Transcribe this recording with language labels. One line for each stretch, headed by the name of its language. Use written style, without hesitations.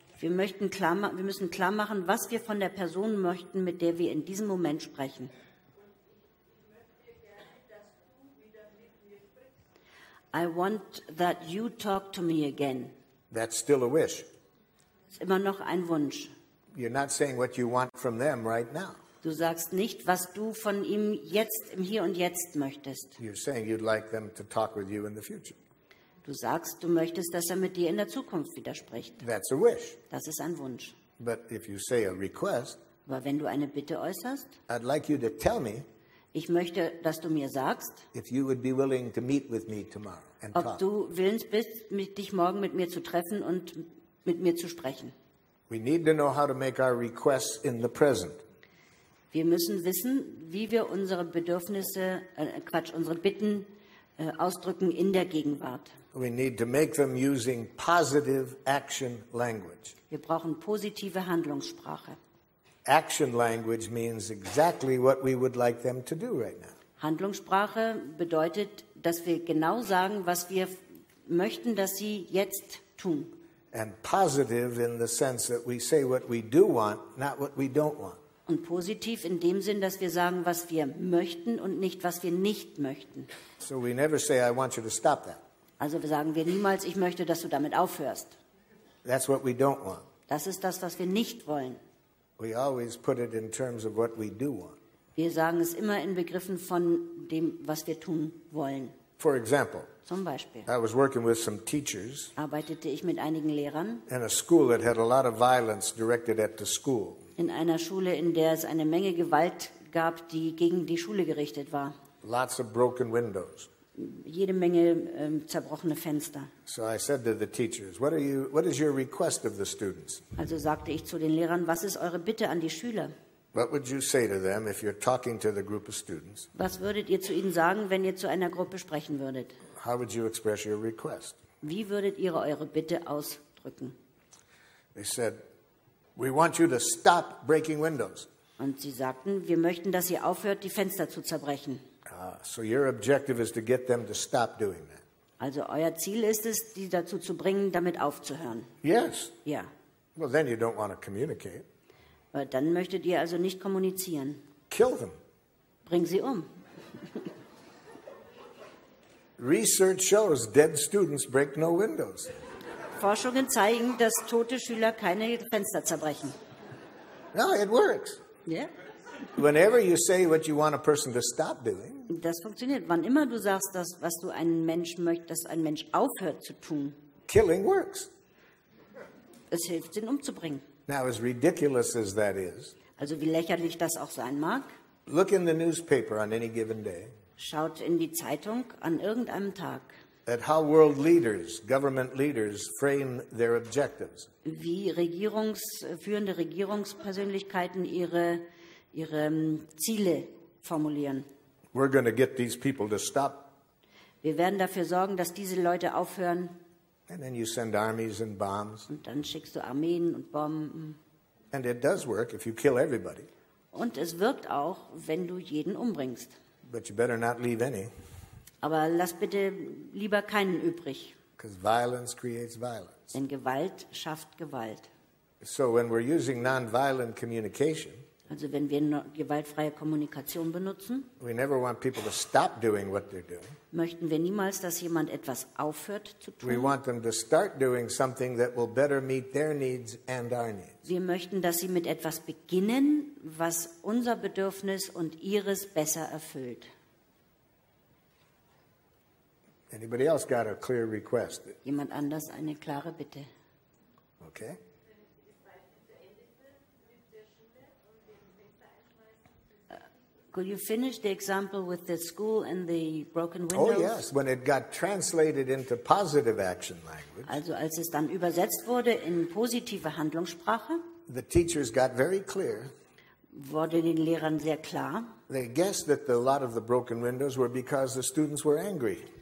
German: Wir müssen klar machen, was wir von der Person möchten, mit der wir in diesem Moment sprechen.
English: I want that you talk to me again. That's still a wish.
German: Ist immer noch ein Wunsch.
English: You're not saying what you want from them right now.
German: Du sagst nicht, was du von ihm jetzt im Hier und Jetzt möchtest.
English: You're saying you'd like them to talk with you in the future.
German: Du sagst, du möchtest, dass mit dir in der Zukunft widerspricht.
English: That's a wish.
German: Das ist ein Wunsch.
English: But if you say a request,
German: aber wenn du eine Bitte äußerst,
English: I'd like you to tell me,
German: ich möchte, dass du mir sagst,
English: if you would be willing to meet with me tomorrow and
German: ob
English: talk.
German: Du willens bist, dich morgen mit mir zu treffen und mit mir zu sprechen.
English: We need to know how to make our requests in the present.
German: Wir müssen wissen, wie wir unsere Bedürfnisse, unsere Bitten ausdrücken in der Gegenwart.
English: We need to make them using positive action language.
German: Wir brauchen positive Handlungssprache.
English: Action language means exactly what we would like them to do right now.
German: Handlungssprache bedeutet, dass wir genau sagen, was wir möchten, dass sie jetzt tun.
English: And positive in the sense that we say what we do want, not what we don't want.
German: Und positiv in dem Sinn, dass wir sagen, was wir möchten und nicht, was wir nicht möchten.
English: So we never say, I want you to stop that.
German: Also sagen wir niemals, ich möchte, dass du damit aufhörst.
English: That's what we don't want.
German: Das ist das, was wir nicht wollen.
English: We always put it in terms of what we do want.
German: Wir sagen es immer in Begriffen von dem, was wir tun wollen.
English: For example,
German: zum Beispiel,
English: I was working with some teachers,
German: arbeitete ich mit einigen Lehrern,
English: in a school that had a lot of violence directed at the school.
German: In einer Schule, in der es eine Menge Gewalt gab, die gegen die Schule gerichtet war.
English: Lots of broken windows.
German: Jede Menge zerbrochene Fenster.
English: So I said to the teachers, what is your request of the students?
German: Also sagte ich zu den Lehrern, was ist eure Bitte an die Schüler?
English: What would you say to them if you're talking to the group of students?
German: Was würdet ihr zu ihnen sagen, wenn ihr zu einer Gruppe sprechen würdet?
English: How would you express your request?
German: Wie würdet ihr eure Bitte ausdrücken?
English: They said, we want you to stop breaking windows.
German: Und sie sagten, wir möchten, dass ihr aufhört, die Fenster zu zerbrechen.
English: So your objective is to get them to stop doing that.
German: Also euer Ziel ist es, die dazu zu bringen, damit aufzuhören.
English: Yes.
German: Ja.
English: Well, then you don't want to communicate.
German: Aber dann möchtet ihr also nicht kommunizieren.
English: Kill them.
German: Bring sie um.
English: Research shows dead students break no windows.
German: Forschungen zeigen, dass tote Schüler keine Fenster zerbrechen.
English: No, it works. Yeah. Whenever you say what you want a person to stop doing.
German: Das funktioniert, wann immer du sagst, dass was du einen Menschen möchtest, dass ein Mensch aufhört zu tun.
English: Killing works.
German: Es hilft, ihn umzubringen.
English: Now, as ridiculous as that is.
German: Also wie lächerlich das auch sein mag.
English: Look in the newspaper on any given day.
German: Schaut in die Zeitung an irgendeinem Tag.
English: At how world leaders, government leaders frame their objectives.
German: Wie führende Regierungspersönlichkeiten ihre Ziele formulieren.
English: We're going to get these people to stop.
German: Wir werden dafür sorgen, dass diese Leute aufhören.
English: And then you send armies and bombs.
German: Und dann schickst du Armeen und Bomben.
English: And it does work if you kill everybody.
German: Und es wirkt auch, wenn du jeden umbringst.
English: But you better not leave any.
German: Aber lass bitte lieber keinen übrig.
English: Because violence creates violence.
German: Denn Gewalt schafft Gewalt.
English: So when we're using non-violent communication.
German: Also wenn wir gewaltfreie Kommunikation benutzen.
English: We never want people to stop doing what they're doing.
German: Möchten wir niemals, dass jemand etwas aufhört zu tun.
English: We want them to start doing something that will better meet their needs and our needs.
German: Wir möchten, dass sie mit etwas beginnen, was unser Bedürfnis und ihres besser erfüllt.
English: Anybody else got a clear request?
German: Jemand anders eine klare Bitte?
English: Okay. Could you finish the example with the school and the broken windows? Oh yes, when it got translated into positive action language.
German: Also als es dann übersetzt wurde in positive Handlungssprache.
English: The teachers got very clear.
German: Wurde den Lehrern sehr klar.
English: They guessed that a lot of the broken windows were because the students were angry.